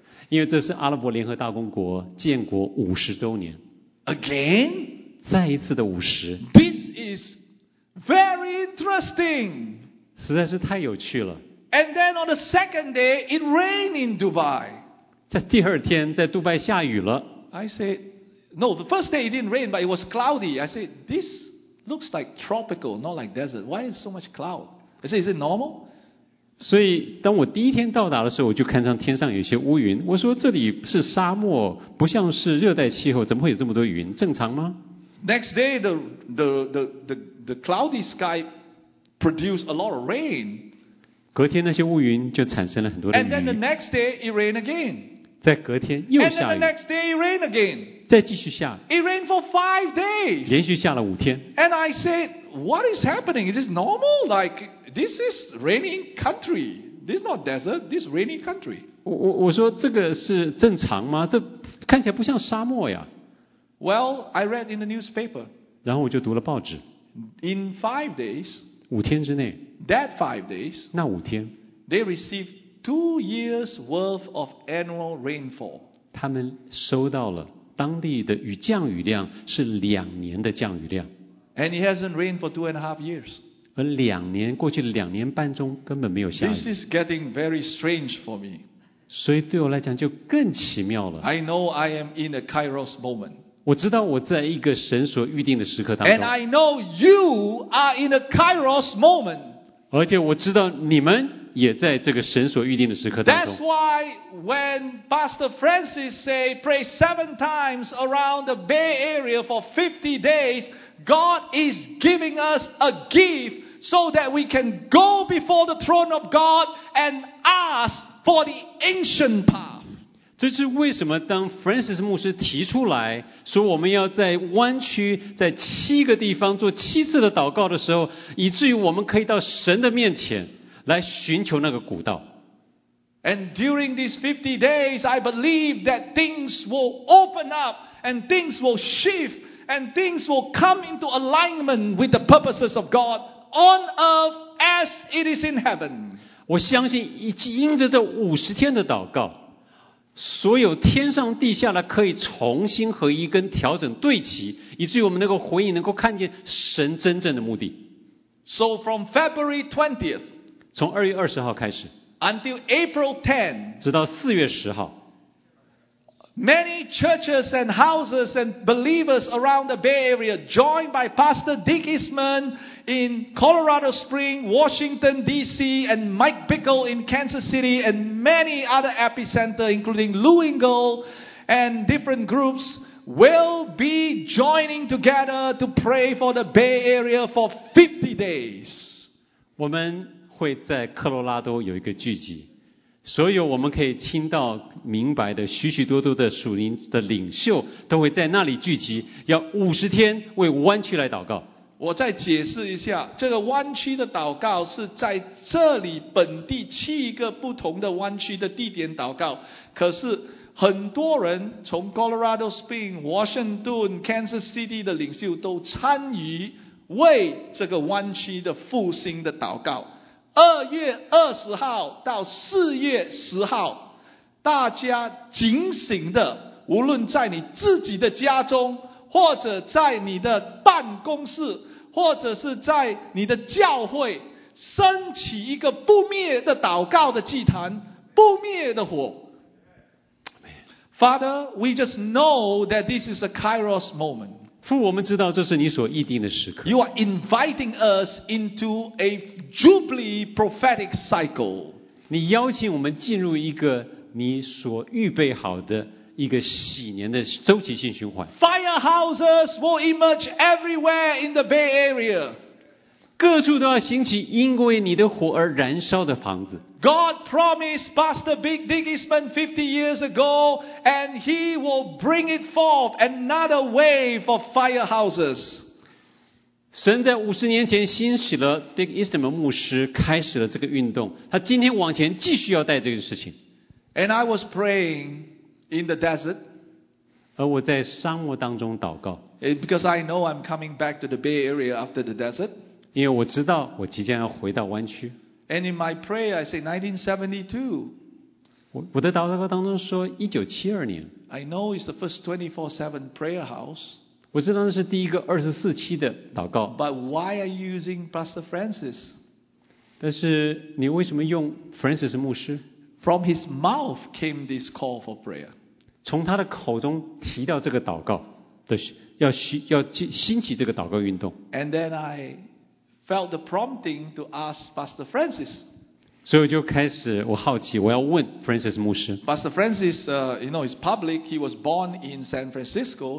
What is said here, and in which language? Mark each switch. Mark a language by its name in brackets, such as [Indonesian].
[Chinese] 因为这是阿拉伯联合大公国建国50周年。 [English] Again, [Chinese] 再一次的五十。 [English] This is very interesting. [Chinese] 实在是太有趣了。 [English] And then on the second day, it rained in Dubai. [Chinese] 在第二天，在杜拜下雨了。 [English] I said, no, the first day it didn't rain, but it was cloudy. I said, this looks like tropical, not like desert. Why is so much cloud? I said, is it normal? [Chinese] 所以当我第一天到达的时候，我就看上天上有些乌云。我说这里是沙漠，不像是热带气候，怎么会有这么多云？正常吗？ [English] Next day, the cloudy sky produced a lot of rain. [Chinese] 隔天那些乌云就产生了很多的雨。 [English] And then the next day, it rained again. [Chinese] 在隔天又下雨。 [English] And then the next day, it rained again. [Chinese] 再继续下。 [English] It rained for 5 days. [Chinese] 连续下了五天。 [English] And I said, what is happening? Is this normal? Like,This is raining country. This is not desert. This is raining country. [Chinese] 我说这个是正常吗？这看起来不像沙漠呀。 [English] Well, I read in the newspaper. [Chinese] 然后我就读了报纸。 [English] In 5 days. [Chinese] 五天之内。 [English] That 5 days. [Chinese] 那五天。 [English] They received 2 years worth of annual rainfall. [Chinese] 他们收到了当地的雨降雨量是两年的降雨量。 [English] And it hasn't rained for 2.5 years. [Chinese] 而两年过去两年半中根本没有下雨。 [English] This is getting very strange for me. [Chinese] 所以对我来讲就更奇妙了。 [English] I know I am in a Kairos moment. [Chinese] 我知道我在一个神所预定的时刻当中。 [English] And I know you are in a Kairos moment. [Chinese] 而且我知道你们也在这个神所预定的时刻当中。 [English] That's why when Pastor Francis say pray 7 times around the Bay Area for 50 days,God is giving us a gift so that we can go before the throne of God and ask for the ancient path. [Chinese] 这是为什么当 Francis 牧师提出来说我们要在湾区在7个地方做7次的祷告的时候，以至于我们可以到神的面前来寻求那个古道。 [English] And during these 50 days, I believe that things will open up and things will shift. And things will come into alignment with the purposes of God on earth as it is in heaven. [Chinese] 我相信因着这五十天的祷告，所有天上地下的可以重新合一跟调整对齐，以至于我们能够回应能够看见神真正的目的。 [English] So from February 20th, [Chinese] 从2月20号开始 [English] until April 10th, [Chinese] 直到4月10号 [English] Many churches and houses and believers around the Bay Area joined by Pastor Dick Eastman in Colorado Springs, Washington DC and Mike Bickle in Kansas City and many other epicenters including Louisville and different groups will be joining together to pray for the Bay Area for 50 days. [Chinese] 我们会在科罗拉多有一个聚集所有我们可以听到明白的许许多多的属灵的领袖都会在那里聚集要五十天为湾区来祷告我再解释一下这个湾区的祷告是在这里本地7个不同的湾区的地点祷告可是很多人从 Colorado Springs Washington Kansas City 的领袖都参与为这个湾区的复兴的祷告 2月20号到4月10号大家警醒的无论在你自己的家中或者在你的办公室或者是在你的教会升起一个不灭的祷告的祭坛不灭的火 [English] Father, we just know that this is a Kairos moment [Chinese] 父我们知道这是你所预定的时刻 [English] You are inviting us into a jubilee prophetic cycle [Chinese] 你邀请我们进入一个你所预备好的一个禧年的周期性循环。 [English] Firehouses will emerge everywhere in the Bay Area. [Chinese] 各处都要兴起因为你的火而燃烧的房子。 [English] God promised Pastor Big Digisman 50 years ago, and he will bring it forth another wave of firehouses. [Chinese] 神在50年前兴起了 Dick Eastman 牧师开始了这个运动，他今天往前继续要带这个事情。 [English] And I was praying in the desert. [Chinese] 而我在沙漠当中祷告。 [English] Because I know I'm coming back to the Bay Area after the desert. [Chinese] 因为我知道我即将要回到湾区。 [English] And in my prayer, I say 1972. [Chinese] 我的祷告当中说1972年。 [English] I know it's the first 24/7 prayer house. [Chinese] 我知道那是第一个24/7的祷告。 [English] But why are you using Pastor Francis? [Chinese] 但是你为什么用 Francis 牧师？ [English] From his mouth came this call for prayer. [Chinese] 从他的口中提到这个祷告的，要兴起这个祷告运动。 [English] And then I. Felt the prompting to ask Pastor Francis. [Chinese] 所以我就开始，我好奇，我要问 Francis 牧师。 [English] Pastor Francis, you know, is public. He was born in San Francisco.